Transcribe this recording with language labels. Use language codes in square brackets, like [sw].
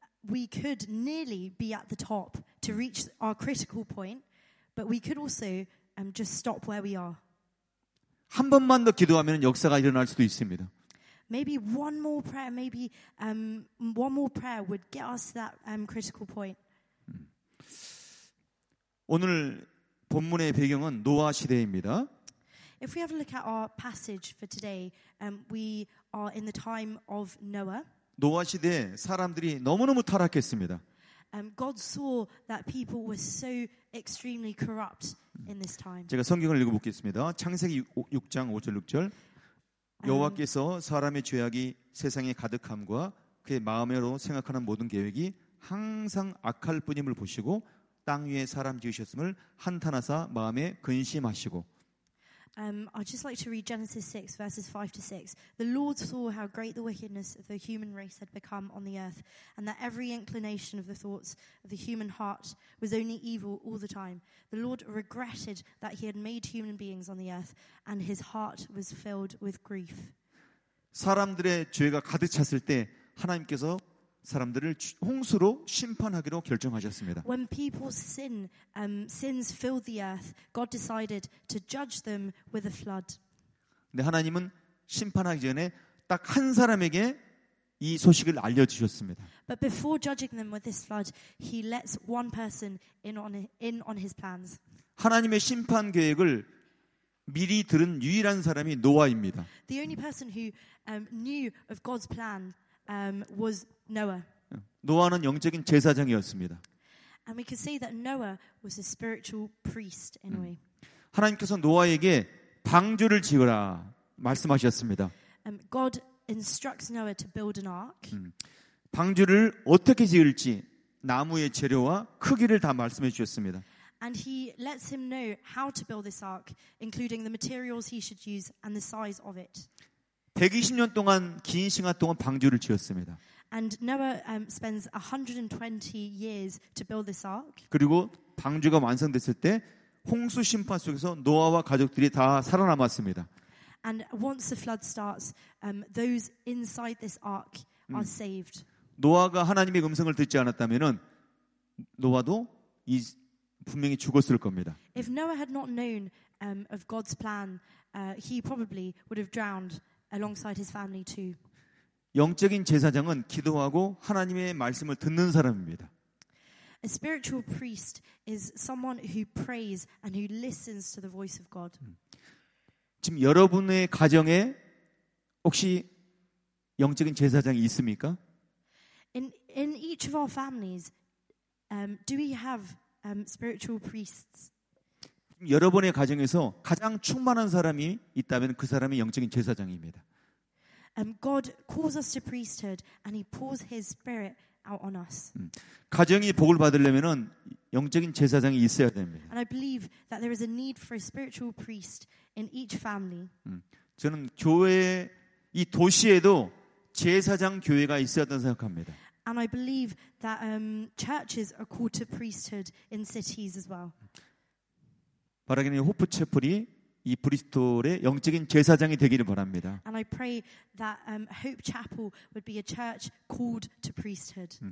[en] We could nearly be at the top to reach our critical point, but we could also just stop where we are. [ko] 한 번만 더 기도하면 역사가 일어날 수도 있습니다. [en] Maybe one more prayer. Maybe one more prayer would get us to that critical point. [ko] 오늘 본문의 배경은 노아 시대입니다. [en] If we have a look at our passage for today, we are in the time of Noah. [ko] 노아 시대에 사람들이 너무너무 타락했습니다. [en] God saw that people were so extremely corrupt in this time. [ko] 제가 성경을 읽어 보겠습니다. 창세기 6장 5절 6절. 여호와께서 사람의 죄악이 세상에 가득함과 그의 마음으로 생각하는 모든 계획이 항상 악할 뿐임을 보시고 땅 위에 사람 지으셨음을 한탄하사 마음에 근심하시고. [en] I'd just like to read Genesis 6 verses 5 to 6. The Lord saw how great the wickedness of the human race had become on the earth, and that every inclination of the thoughts of the human heart was only evil all the time. The Lord regretted that he had made human beings on the earth, and his heart was filled with grief. [ko] 사람들의 죄가 가득 찼을 때 하나님께서 사람들을 홍수로 심판하기로 결정하셨습니다. [en] When people's sins filled the earth, God decided to judge them with a flood. [ko] 근데 하나님은 심판하기 전에 딱 한 사람에게 이 소식을 알려 주셨습니다. [en] But before judging them with this flood, he lets one person in on his plans. [ko] 하나님의 심판 계획을 미리 들은 유일한 사람이 노아입니다. [en] The only person who knew of God's plan was Noah. [ko] 노아는 영적인 제사장이었습니다. [en] And we could say that Noah was a spiritual priest in a way. [ko] 하나님께서 노아에게 방주를 지으라 말씀하셨습니다. [en] God instructs Noah to build an ark. [ko] 방주를 어떻게 지을지 나무의 재료와 크기를 다 말씀해 주셨습니다. [en] And he lets him know how to build this ark, including the materials he should use and the size of it. [ko] 120년 동안 긴 시간 동안 방주를 지었습니다. [en] And Noah spends 120 years to build this ark. [ko] 그리고 방주가 완성됐을 때 홍수 심판 속에서 노아와 가족들이 다 살아남았습니다. [en] And once the flood starts, those inside this ark are saved. [ko] 노아가 하나님의 음성을 듣지 않았다면은 노아도 이 분명히 죽었을 겁니다. [en] If Noah had not known of God's plan, he probably would have drowned alongside his family too. [ko] 영적인 제사장은 기도하고 하나님의 말씀을 듣는 사람입니다. [en] A spiritual priest is someone who prays and who listens to the voice of God. [ko] 지금 여러분의 가정에 혹시 영적인 제사장이 있습니까? [en] In each of our families, do we have spiritual priests? [ko] 여러분의 가정에서 가장 충만한 사람이 있다면 그 사람이 영적인 제사장입니다. [en] God calls us to priesthood, and He pours His Spirit out on us. [ko] 가정이 복을 받으려면은 영적인 제사장이 있어야 됩니다. [en] And I believe that there is a need for a spiritual priest in each family. [ko] 저는 교회 이 도시에도 제사장 교회가 있어야 된다고 생각합니다. [en] And I believe that churches are called to priesthood in cities as well. [ko] 바라기는 호프 채플이 이 브리스톨의 영적인 제사장이 되기를 바랍니다. [en] And I pray that Hope Chapel would be a church called to priesthood.